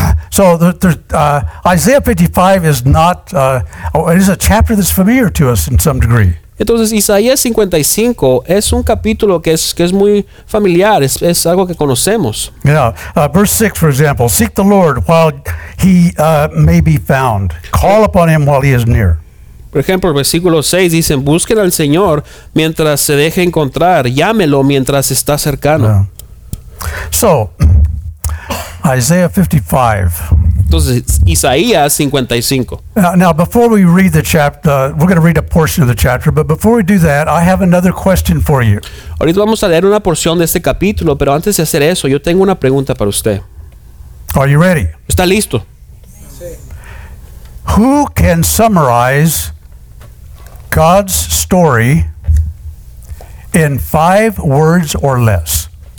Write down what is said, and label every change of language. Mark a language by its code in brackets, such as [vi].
[en] So Isaiah 55 is not it is a chapter that's familiar to us in some degree. [es] Entonces Isaías 55 es un capítulo que es muy familiar, es algo que conocemos. [en] Yeah, verse 6 for example, seek the Lord while he may be found. Call upon him while he is near. [es] Por ejemplo, el versículo 6 dice, busquen al Señor mientras se deje encontrar, llámelo mientras está cercano. [en] Yeah. So Isaiah 55. [es] Entonces, Isaías 55. [en] Now, before we read the chapter, we're going to read a portion of the chapter, but before we do that, I have another question for you. [es] Ahorita vamos a leer una porción de este capítulo, pero antes de hacer eso, yo tengo una pregunta para usted. [en] Are you ready? [es] ¿Está listo? [en] Sí. Who can summarize God's story in 5 words or less?